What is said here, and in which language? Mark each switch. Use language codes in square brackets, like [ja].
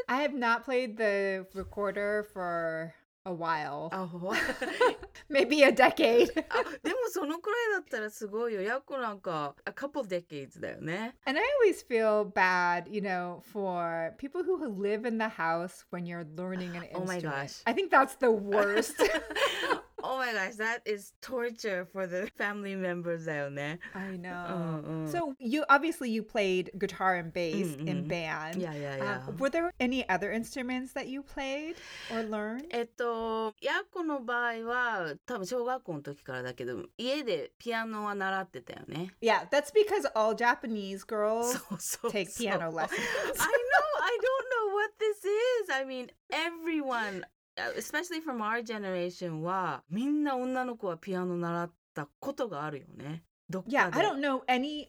[en] I have not played the recorder for a while. Oh. Maybe a decade. [ja] でもそのくらいだったらすごいよ。やっこなんか [en] a couple decades [ja] だよね。 [en] And I always feel bad, you know, for people who live in the house when you're learning an instrument. Oh my gosh. I think that's the worst. Oh my gosh, that is torture for the family members [ja] だよね。 [en] I know. Mm-hmm. So, you obviously you played guitar and bass mm-hmm. in band. Yeah, yeah, yeah. Were there any other instruments that you played or learned? [ja] ヤコの場合は、多分小学校の時からだけど、家でピアノは習ってたよね。 [en] Yeah, that's because all Japanese girls take piano lessons. I know, I don't know what this is. I mean, everyone... Especially from our generation, [ja] はみんな女の子はピアノ習ったことがあるよね。どっかで。 [en] Yeah, I don't know any.